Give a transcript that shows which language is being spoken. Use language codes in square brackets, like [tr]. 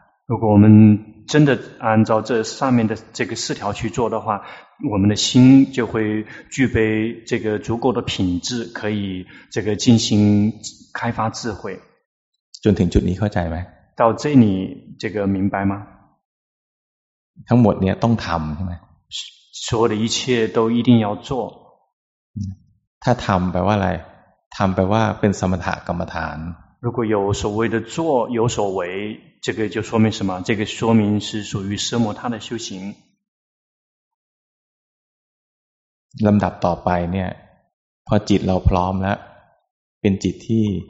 [zh] 如果我们真的按照这上面的这个四条去做的话我们的心就会具备这个足够的品质可以这个进行开发智慧 [th] จนถึงจุดนี้เข้าใจไหม [zh] 到这里这个明白吗 [th] ทั้งหมดเนี่ยต้องทำใช่ไหม [zh] 所有的一切都一定要做 [th] ถ้าทำแปลว่าอะไรทำไปว่าเป็นสมถะกรรมฐาน [zh] 如果有所谓的做有所为这个就说明什么这个说明是属于奢摩他的修行 [th] ลำดับต่อไปเนี่ยพอจิตเราพร้อมแล้วเป็นจิตที่